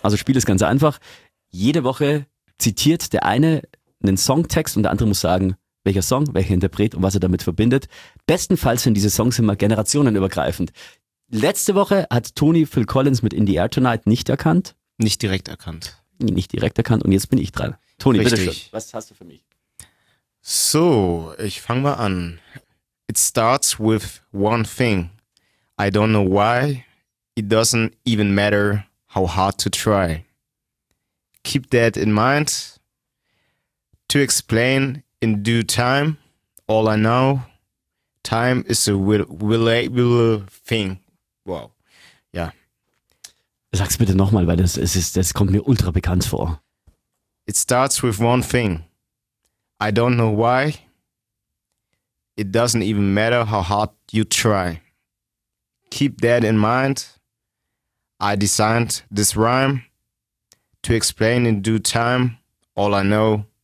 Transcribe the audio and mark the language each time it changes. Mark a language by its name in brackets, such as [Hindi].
[German] Also Spiel ist ganz einfach. Jede Woche zitiert der eine einen Songtext und der andere muss sagen, welcher Song, welcher Interpret und was er damit verbindet. Bestenfalls sind diese Songs immer generationenübergreifend. Letzte Woche hat Toni Phil Collins mit In the Air Tonight nicht erkannt. Nicht direkt erkannt. Nicht direkt erkannt und jetzt bin ich dran. Toni, richtig. Bitte schön. Was hast du für mich? So, ich fange mal an. [English] It starts with one thing. I don't know why. It doesn't even matter how hard to try. Keep that in mind. To explain in due time. All I know. Time is a reliable thing. [German] Wow. Ja. Sag's bitte nochmal, weil das kommt mir ultra bekannt vor. [English] It starts with one thing. I don't know why. It doesn't even matter how hard you try. Keep that in mind. I designed this rhyme to explain in due time all I know.